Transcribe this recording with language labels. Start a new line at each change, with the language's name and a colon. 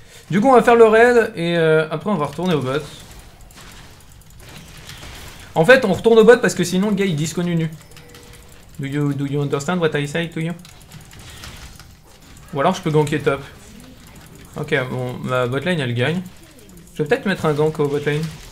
French: Du coup, on va faire le raid et après, on va retourner au bot. En fait, on retourne au bot parce que sinon, le gars, il disconnu nu.
English: Do you understand what I say to you?
French: Ou alors, je peux ganker top. Ok, bon, ma botlane, elle gagne. Je vais peut-être mettre un gank au botlane.